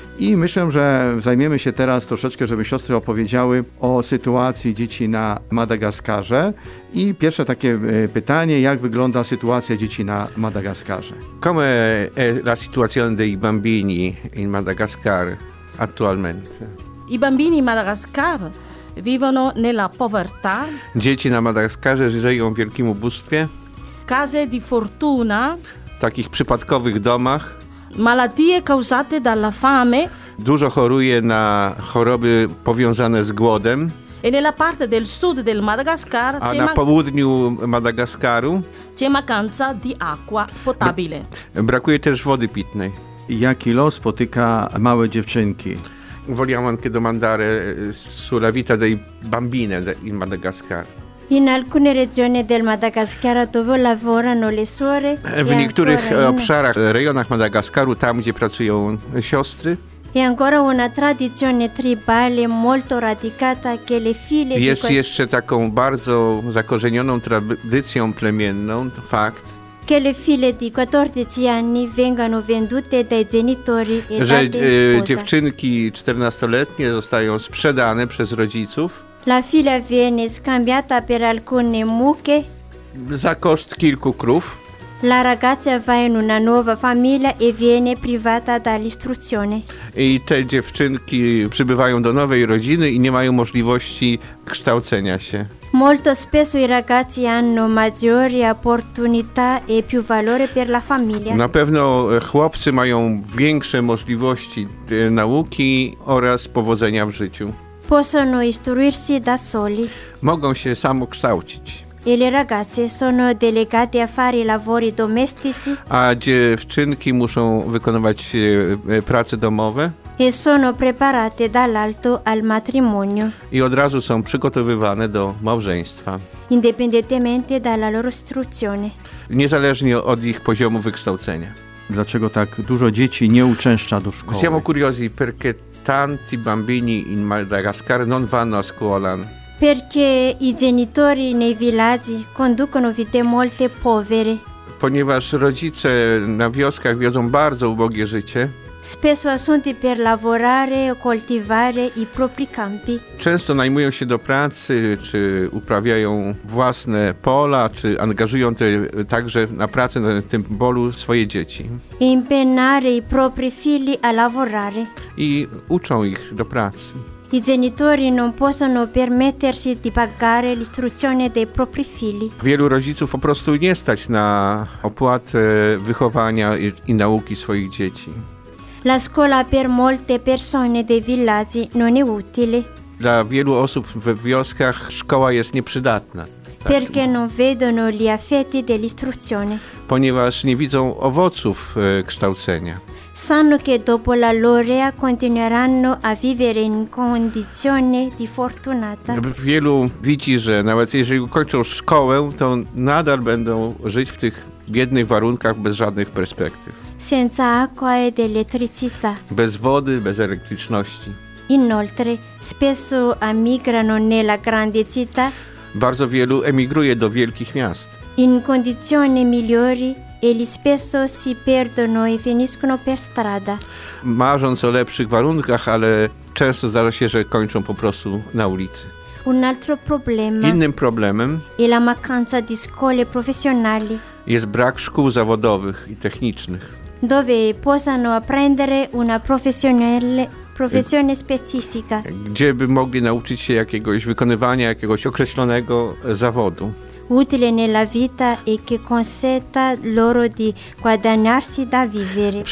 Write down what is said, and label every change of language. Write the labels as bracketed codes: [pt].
[pl] I myślę, że zajmiemy się teraz troszeczkę, żeby siostry opowiedziały o sytuacji dzieci na Madagaskarze. I pierwsze takie pytanie, jak wygląda sytuacja dzieci na Madagaskarze? [it] Come è la situazione dei bambini in Madagascar attualmente? I bambini in Madagascar vivono nella povertà. [pl] Dzieci na Madagaskarze żyją w wielkim ubóstwie. [it] Case di fortuna. [pl] Takich przypadkowych domach. [it] Malattie causate dalla fame. [pl] Dużo choruje na choroby powiązane z głodem. [it] E nella parte del sud del Madagascar, [pl] a na południu Madagaskaru, [it] c'è mancanza di acqua potabile. [pl] Brakuje też wody pitnej. Jaki los spotyka małe dziewczynki? [it] Vogliamo anche domandare sulla vita dei bambine in Madagascar. In alcune regioni del Madagascar dove lavorano le suore. [pl] W niektórych obszarach, rejonach Madagaskaru, tam gdzie pracują siostry. [it] E ancora una tradizione tribale molto radicata che le figlie. [pl] Jest jeszcze taką bardzo zakorzenioną tradycją plemienną, to fakt. [it] Che le figlie di 14 anni vengano vendute dai genitori e date. [pl] Że dziewczynki 14-letnie zostają sprzedane przez rodziców. [it] La figlia viene scambiata per alcune mucche. [pl] Za koszt kilku krów. [it] La ragazza va in una nuova famiglia e viene privata dall'istruzione. [pl] I te dziewczynki przybywają do nowej rodziny i nie mają możliwości kształcenia się. [it] Molto spesso i ragazzi hanno maggiori opportunità e più valore per la famiglia. [pl] Na pewno chłopcy mają większe możliwości nauki oraz powodzenia w życiu. [it] Possono istruirsi da soli. [pl] Mogą się samokształcić. [it] E le ragazze sono delegate a fare lavori domestici. [pl] A dziewczynki muszą wykonywać prace domowe. [it] E sono preparate dall'alto al matrimonio. [pl] I od razu są przygotowywane do małżeństwa. [it] Indipendentemente dalla loro istruzione. [pl] Niezależnie od ich poziomu wykształcenia. Dlaczego tak dużo dzieci nie uczęszcza do szkoły? [it] Siamo curiosi perché tanti bambini in Madagascar non vanno a scuola. Perché i genitori nei villaggi conducono vite molto povere. [pl] Ponieważ rodzice na wioskach wiodą bardzo ubogie życie. [it] Spesso assunti per lavorare o coltivare i propri campi. [pl] Często najmują się do pracy, czy uprawiają własne pola, czy angażują te, także na pracę na tym polu swoje dzieci. [it] Impegnare i propri figli a lavorare. [pl] I uczą ich do pracy. [it] I genitori non possono permettersi di pagare l'istruzione dei propri figli. [pl] Wielu rodziców po prostu nie stać na opłatę wychowania i nauki swoich dzieci. [it] La scuola per molte persone dei villaggi non è utile. [pl] Dla wielu osób w wioskach szkoła jest nieprzydatna. Tak. [it] Perché non vedono gli effetti dell'istruzione. [pl] Ponieważ nie widzą owoców kształcenia. [it] Sanno che dopo la laurea continueranno a vivere in condizione di fortunata. [pl] Wielu widzi, że nawet jeżeli ukończą szkołę, to nadal będą żyć w tych biednych warunkach bez żadnych perspektyw. [it] Senza acqua ed elettricità. [pl] Bez wody, bez elektryczności. [it] Inoltre, spesso emigrano nella grande città. [pl] Bardzo wielu emigruje do wielkich miast. [it] In condizioni migliori, eli spesso si perdono e finiscono per strada. [pl] Marząc o lepszych warunkach, ale często zdarza się, że kończą po prostu na ulicy. [it] Un altro problema. [pl] Innym problemem. [it] È la mancanza di scuole professionali. [pl] Jest brak szkół zawodowych i technicznych. [it] Dove possano apprendere una professione specifica. [pl] Gdzie by mogli nauczyć się jakiegoś wykonywania jakiegoś określonego zawodu. [it] Utile nella vita e che consenta loro di guadagnarsi da vivere.